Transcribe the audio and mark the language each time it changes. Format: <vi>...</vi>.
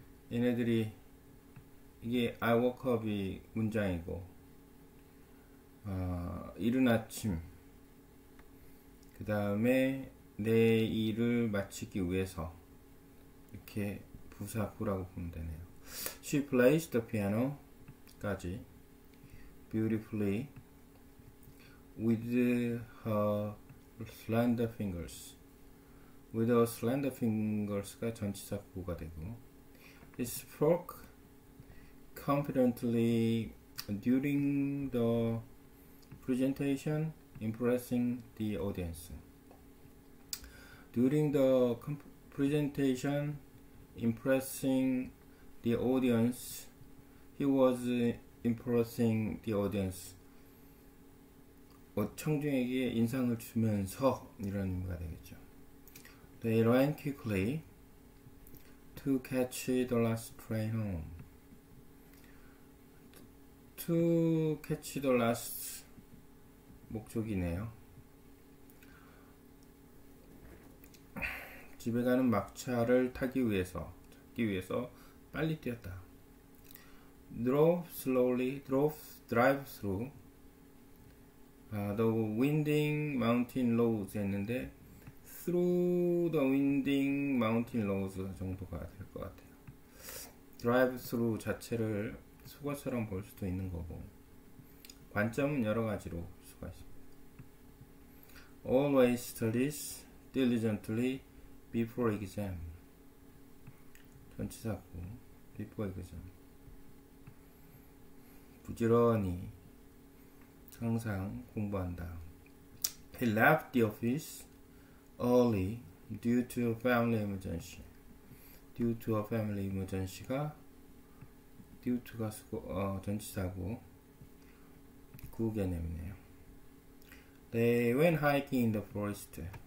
<ko>얘네들이 이게</ko> <en>I woke up</en> <ko>이 문장이고 이른 아침. 그 다음에 내 일을 마치기 위해서 이렇게 부사구라고 보면 되네요.</ko> <en>She plays the piano까지 beautifully with her slender fingers. With her slender fingers가 전치사 구가 되고, She spoke confidently during the presentation, impressing the audience. During the presentation, impressing the audience, he was impressing the audience.</en> <ko>청중에게 인상을 주면서 이런 의미가 되겠죠.</ko> <en>They ran quickly to catch the last train home. To catch the last</en> <ko>목적이네요. 집에 가는 막차를 찾기 위해서 빨리 뛰었다.</ko> <en>Drove through the winding mountain roads</en> <ko>했는데</ko> <en>through the winding mountain roads</en> <ko>정도가 될것 같아요.</ko> <en>Drive through</en> <ko>자체를 속어처럼 볼 수도 있는 거고 관점은 여러 가지로 볼 수가 있습니다.</ko> <en>Always studies diligently before exam.</en> <ko>전치사 구,</ko> <en>before exam.</en> <ko>부지런히 항상 공부한다.</ko> <en>He left the office early due to a family emergency. Due to a family emergency가 due to가</en> <ko>전치사 구, 구 개념이네요.</ko> <en>They went hiking in the forest.</en>